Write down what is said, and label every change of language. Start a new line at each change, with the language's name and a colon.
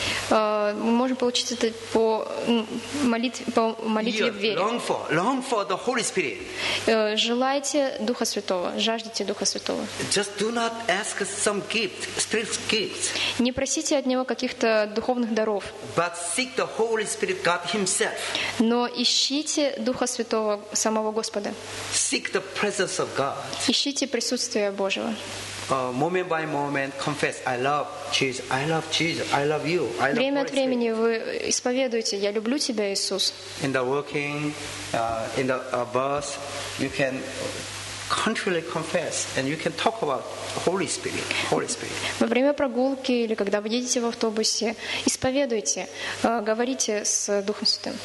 Russian: Мы можем получить это по молитве в вере.
English: Long for the Holy Spirit.
Russian: Желайте Духа Святого, жаждите Духа Святого.
English: Just do not ask some gift, spiritual gifts.
Russian: Не просите от него каких-то духовных даров.
English: But seek the Holy Spirit, God Himself.
Russian: Но ищите Духа Святого, самого Господа.
English: Seek the presence of God.
Russian: Ищите присутствие Божьего.
English: Moment by moment, confess, I love Jesus. I love Jesus. I love you. I love
Russian: время от времени вы исповедуете, я люблю тебя, Иисус.
English: In the walking, in the bus, you can continually confess, and you can talk about Holy Spirit. Holy Spirit.
Russian: Во время прогулки или когда вы едете в автобусе, исповедуйте, говорите с Духом Святым.